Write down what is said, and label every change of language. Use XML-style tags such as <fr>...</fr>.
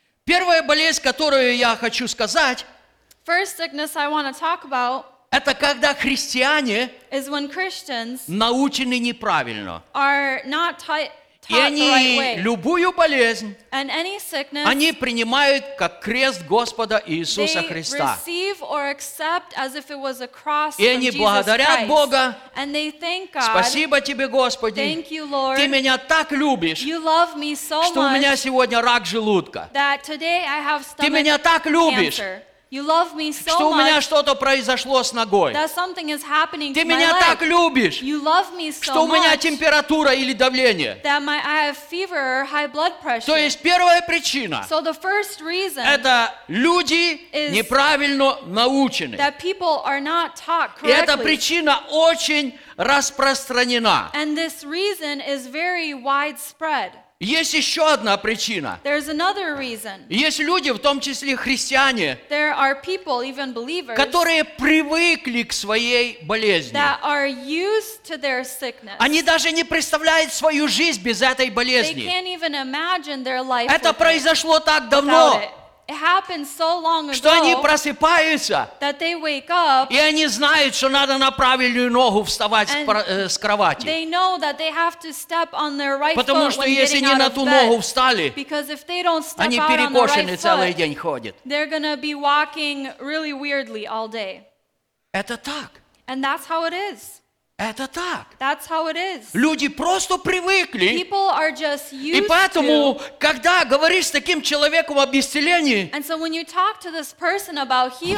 <ru>Первая болезнь, которую я хочу сказать,</ru> <en>first sickness I want to talk about,</en> <ru>это когда христиане</ru> <en>is when Christians</en> <ru>научены неправильно.</ru> <en>Are not taught</en> <ru>и они</ru> <en>the right way.</en> <ru>Любую болезнь</ru> <en>and any sickness,</en> <ru>они принимают как крест Господа Иисуса</ru> <en>they</en> <ru>Христа.</ru> <en>Receive or accept as if it was a cross</en> <ru>и они благодарят</ru> <en>Christ.</en> <ru>Бога.</ru> <en>And they thank God,</en> <ru>спасибо тебе, Господи.</ru> <en>Thank you, Lord.</en> <ru>Ты меня так любишь,</ru> <en>you love me so</en> <ru>что</ru> <en>much,</en> <ru>у меня сегодня рак желудка.</ru> <en>That today I have stomach</en> <ru>ты меня так любишь,</ru> <en>cancer. You love me so</en> <ru>что</ru> <en>much,</en> <ru>у меня что-то произошло с ногой.</ru> <en>That something is happening</en> <ru>ты</ru> <en>to</en> <ru>меня</ru> <en>my leg.</en> <ru>Так любишь,</ru> <en>you love me so</en> <ru>что</ru> <en>much,</en> <ru>у меня температура или давление.</ru> <en>That my, I have fever or high blood pressure.</en> <ru>То есть первая причина,</ru> <en>so the first reason</en> <ru>это люди неправильно научены.</ru> <en>That people are not taught correctly.</en> <ru>И эта причина очень распространена.</ru> <en>And this reason is very widespread.</en> <ru>Есть еще одна причина.</ru> <en>There's another reason.</en> <ru>Есть люди, в том числе христиане,</ru> <en>there are people, even believers,</en> <ru>которые привыкли к своей болезни.</ru> <en>That are used to their sickness.</en> <ru>Они даже не представляют свою жизнь без этой болезни.</ru> <en>They can't even imagine their life</en> <ru>это произошло так давно,</ru> <en>it happened so long ago,</en> <ru>что они просыпаются,</ru> <en>that they wake up,</en> <ru>и они знают, что надо на правильную ногу вставать с кровати.</ru> <en>They know that they have to step on their right</en> <ru>потому</ru> <en>foot</en> <ru>что если не на ту</ru> <en>bed,</en> <ru>ногу встали,</ru> <en>because if they don't step</en> <ru>они перекошены</ru> <en>on the right</en> <ru>целый</ru> <en>foot,</en> <ru>день ходят.</ru> <en>They're gonna be walking really weirdly all day.</en> <ru>Это так.</ru> <en>And that's how it is.</en> <ru>Это так.</ru> <en>That's how it is.</en> <ru>Люди просто привыкли.</ru> <en>People are just used</en> <ru>и поэтому,</ru> <en>to,</en> <ru>когда говоришь с таким человеком об исцелении,</ru> <en>and so when you talk to this person about healing,</en>